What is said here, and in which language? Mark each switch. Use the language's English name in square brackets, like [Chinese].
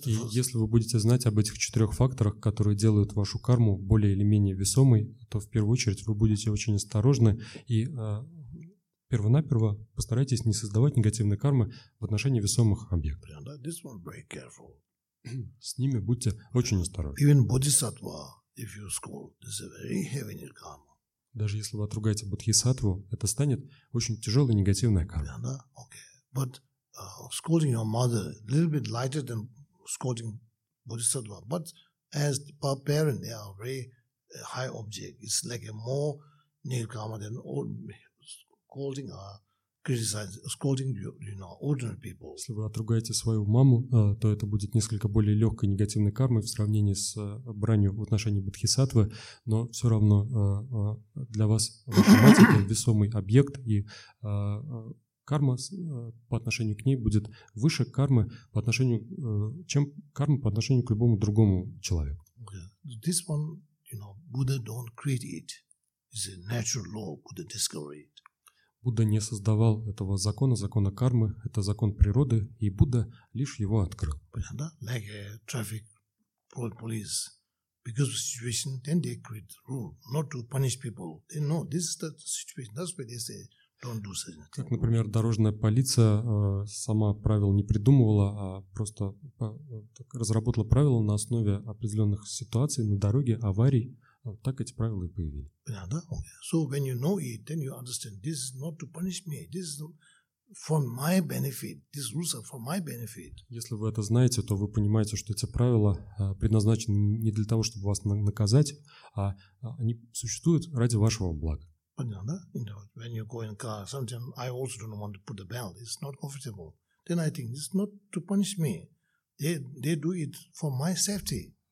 [Russian] Если вы будете знать об этих четырех факторах, которые делают вашу карму более или менее весомой, то в первую очередь вы будете очень осторожны и перво-наперво постарайтесь не создавать негативной кармы в отношении весомых объектов. Yeah, с ними будьте очень осторожны. [English] Even bodhisattva, if you scold, this is very heavy karma. [Russian] Даже если вы отругаете бодхисаттву, это станет очень тяжелой негативной кармой. [English] Yeah, okay. But scolding your mother a little bit lighter than scolding bodhisattva. But as a parent, they are very high object. It's like a more nirkama than old. Ordinary people. [Russian] Если вы отругаете свою маму, то это будет несколько более легкой негативной кармой в сравнении с бранью в отношении бодхисаттвы, но все равно для вас ваша мать — это весомый объект, и карма по отношению к ней будет выше кармы по отношению, чем карма по отношению к любому другому человеку. [English] Okay. This one, Buddha don't create it. It's a natural law. Buddha discovered it. [Russian] Будда не создавал этого закона, закона кармы. Это закон природы, и Будда лишь его открыл. Понятно? [English] Like a traffic police. Because of the situation, then they create the rule. Not to punish people. They know this is the situation. That's why they say, don't do such a thing. [Russian] Как, например, дорожная полиция сама правил не придумывала, а просто разработала правила на основе определенных ситуаций на дороге, аварий. Вот так эти правила и появились. Понятно? [English] So when you know it, then you understand this is not to punish me. This is for my benefit. These rules are for my benefit. [Russian] Если вы это знаете, то вы понимаете, что эти правила предназначены не для того, чтобы вас наказать, а они существуют ради вашего блага. Понятно? [English] When you go in car, sometimes I also don't want to put the belt. It's not comfortable. Then I think this is not to punish me. They do it for my safety.